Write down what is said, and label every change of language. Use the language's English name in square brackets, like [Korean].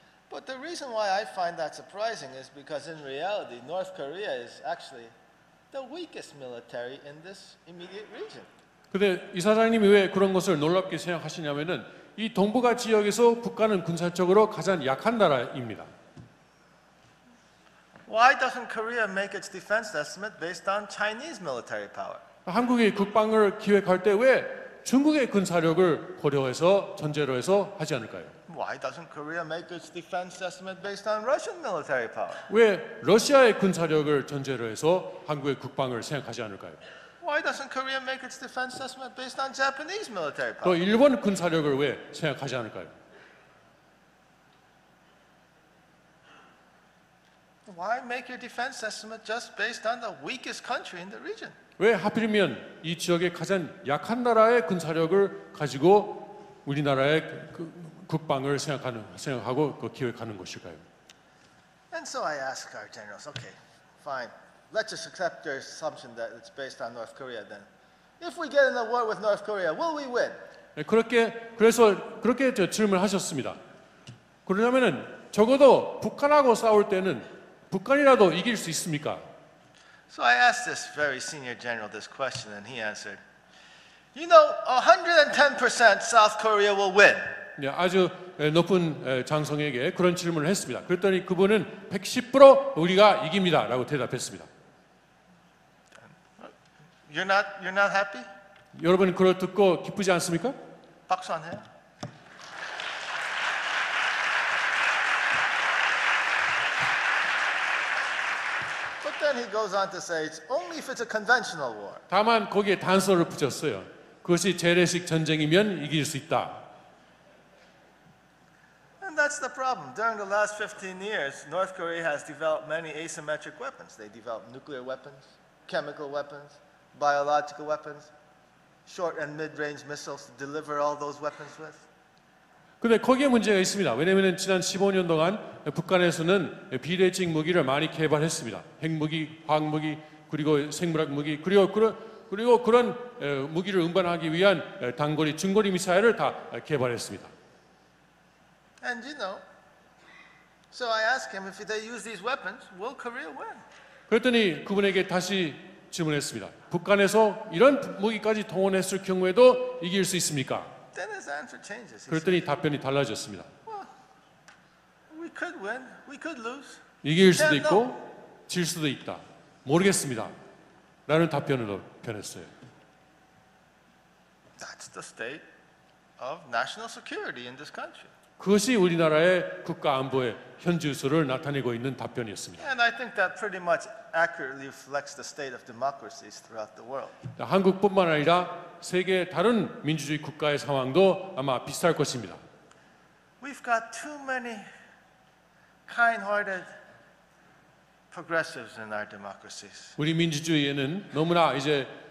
[English] But the reason why I find that surprising is because in reality, North Korea is actually the weakest military in this immediate region. [Korean] 근데 이사장님이 왜 그런 것을 놀랍게 생각하시냐면은 이 동북아 지역에서 북한은 군사적으로 가장 약한 나라입니다. [English] Why doesn't Korea make its defense estimate based on Chinese military power? [Korean] 한국이 국방을 기획할 때 왜 중국의 군사력을 고려해서 전제로 해서 하지 않을까요? [English] Why doesn't Korea make its defense estimate based on Russian military power? [Korean] 왜 러시아의 군사력을 전제로 해서 한국의 국방을 생각하지 않을까요? [English] Why doesn't Korea make its defense estimate based on Japanese military power? [Korean] 또 일본 군사력을 왜 생각하지 않을까요? [English] Why make your defense estimate just based on the weakest country in the region? [Korean] 왜 하필이면 이 지역의 가장 약한 나라의 군사력을 가지고 우리나라의 그 국방을 생각하고 그 기획하는 것일까요? [English] And so I ask our generals, okay, fine. Let's just accept your assumption that it's based on North Korea then. If we get in a war with North Korea, will we win? [Korean] 네, 그래서 그렇게 질문을 하셨습니다. 그러냐면은 적어도 북한하고 싸울 때는 북한이라도 이길 수 있습니까? [English] So I asked this very senior general this question and he answered, you know, 110% South Korea will win. [Korean] 네, 아주 높은 장성에게 그런 질문을 했습니다. 그랬더니 그분은 110% 우리가 이깁니다. 라고 대답했습니다. [English] You're not happy? [Korean] 여러분은 그걸 듣고 기쁘지 않습니까? 박수 안 해요? [English] And he goes on to say, it's only if it's a conventional war. [Korean] 다만 거기에 단서를 붙였어요. 그것이 재래식 전쟁이면 이길 수 있다. [English] And that's the problem. During the last 15 years, North Korea has developed many asymmetric weapons. They developed nuclear weapons, chemical weapons, biological weapons, short and mid-range missiles to deliver all those weapons with. [Korean] 근데 거기에 문제가 있습니다. 왜냐하면 지난 15년 동안 북한에서는 비대칭 무기를 많이 개발했습니다. 핵무기, 화학무기, 그리고 생물학 무기, 그리고 그런 무기를 운반하기 위한 단거리, 중거리 미사일을 다 개발했습니다. [English] And you know, so I ask him if they use these weapons, will Korea win? [Korean] 그랬더니 그분에게 다시 질문했습니다. 북한에서 이런 무기까지 동원했을 경우에도 이길 수 있습니까? [English] Then his answer changes. [Korean] 그랬더니 답변이 달라졌습니다. [English] Well, we could win, we could lose. [Korean] 이길 수도 있고 질 수도 있다. 모르겠습니다. 라는 답변으로 변했어요. [English] That's the state of national security in this country. [Korean] 그것이 우리나라의 국가 안보의 현주소를 나타내고 있는 답변이었습니다. [English] And I think that pretty much accurately reflects the state of democracies throughout the world. [Korean] 한국뿐만 아니라 세계 다른 민주주의 국가의 상황도 아마 비슷할 것입니다. [English] We've got too many kind-hearted progressives in our democracies. [Korean] 우리 민주주의에는 너무나 이제